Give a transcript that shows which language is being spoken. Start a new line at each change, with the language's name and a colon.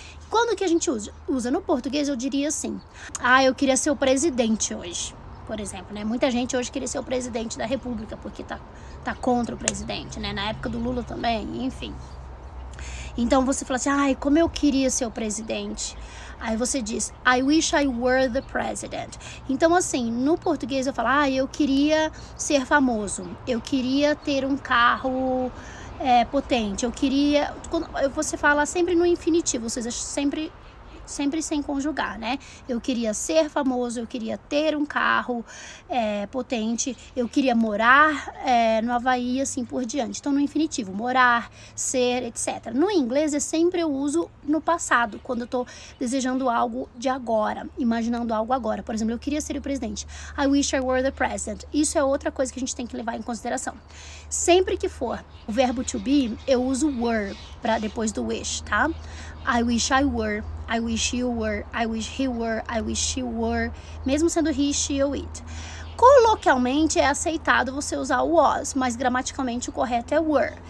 Portuguese: Quando que a gente usa? No português eu diria assim, ai, eu queria ser o presidente hoje. Por exemplo, né? Muita gente hoje queria ser o presidente da república, porque tá contra o presidente, né? Na época do Lula também, enfim. Então você fala assim, ai, como eu queria ser o presidente. Aí você diz,
English: I wish I were the president.
Portuguese: Então assim, no português eu falo, ai, eu queria ser famoso. Eu queria ter um carro potente. Eu queria... Você fala sempre no infinitivo, ou seja, sempre sem conjugar, né? Eu queria ser famoso, eu queria ter um carro potente, eu queria morar no Havaí e assim por diante. Então, no infinitivo, morar, ser, etc. No inglês, eu sempre uso no passado, quando eu tô desejando algo de agora, imaginando algo agora. Por exemplo, eu queria ser o presidente.
English: I wish I were the president.
Portuguese: Isso é outra coisa que a gente tem que levar em consideração. Sempre que for o verbo to be, eu uso were para depois do wish, tá?
English: I wish I were, I wish you were, I wish he were, I wish she were,
Portuguese: mesmo sendo
English: he, she ou it.
Portuguese: Coloquialmente é aceitado você usar o was, mas gramaticalmente o correto é were.